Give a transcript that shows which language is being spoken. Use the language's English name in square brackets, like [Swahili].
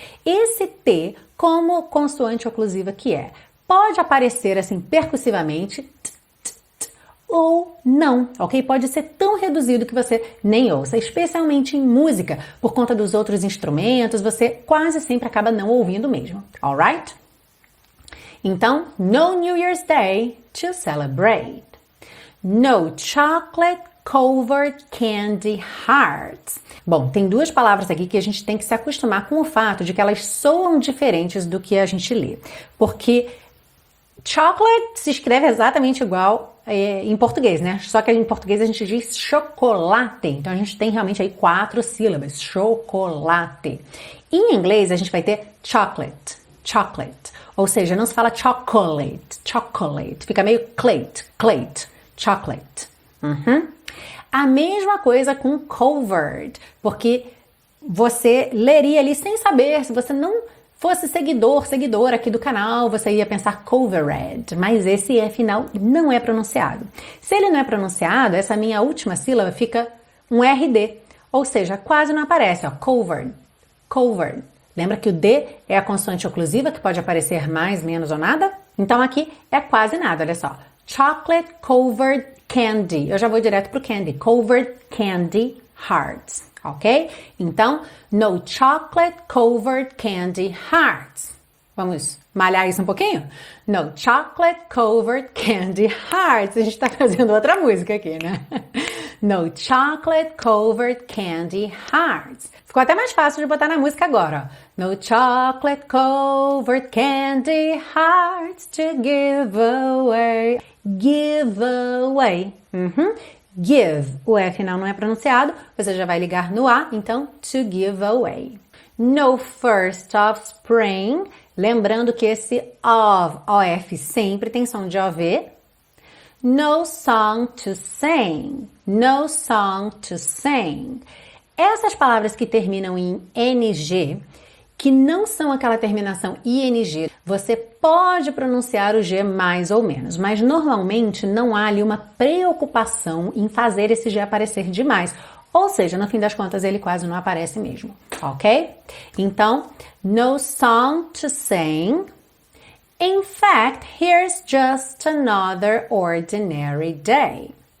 [Portuguese] Esse T, como consoante oclusiva que é, pode aparecer assim percussivamente ou não, ok? Pode ser tão reduzido que você nem ouça, especialmente em música, por conta dos outros instrumentos, você quase sempre acaba não ouvindo mesmo, alright? Então, [English] no New Year's Day to celebrate. No chocolate covered candy hearts. [Portuguese] Bom, tem duas palavras aqui que a gente tem que se acostumar com o fato de que elas soam diferentes do que a gente lê, porque chocolate se escreve exatamente igual em português, né? Só que em português a gente diz chocolate. Então a gente tem realmente aí quatro sílabas. Chocolate. Em inglês a gente vai ter chocolate. Chocolate. Ou seja, não se fala chocolate. Chocolate. Fica meio clate. Clate. Chocolate. A mesma coisa com covert. Porque você leria ali sem saber, se você não fosse seguidor, seguidora aqui do canal, você ia pensar covered, mas esse E final não é pronunciado. Se ele não é pronunciado, essa minha última sílaba fica um RD, ou seja, quase não aparece, ó, covered, covered. Lembra que o D é a consoante oclusiva que pode aparecer mais, menos ou nada? Então aqui é quase nada, olha só. [English] Chocolate covered candy. [Portuguese] Eu já vou direto pro candy. [English] Covered candy hearts, ok? [Portuguese] Então, [English] no chocolate covered candy hearts. [Portuguese] Vamos malhar isso um pouquinho? [English] No chocolate covered candy hearts. [Portuguese] A gente tá fazendo outra música aqui, né? [English] No chocolate covered candy hearts. [Portuguese] Ficou até mais fácil de botar na música agora. [English] No chocolate covered candy hearts to give away. Give away. Uhum. Give. [Portuguese] O F final não é pronunciado. Você já vai ligar no A. Então, [English] to give away. No first of spring. [Portuguese] Lembrando que esse of, O-F, sempre tem som de O-V. [English] No song to sing. No song to sing. [Portuguese] Essas palavras que terminam em ng, que não são aquela terminação ing, você pode pronunciar o g mais ou menos, mas normalmente não há ali uma preocupação em fazer esse g aparecer demais. Ou seja, no fim das contas, ele quase não aparece mesmo, ok? Então, [English] no song to sing. In fact, here's just another ordinary day.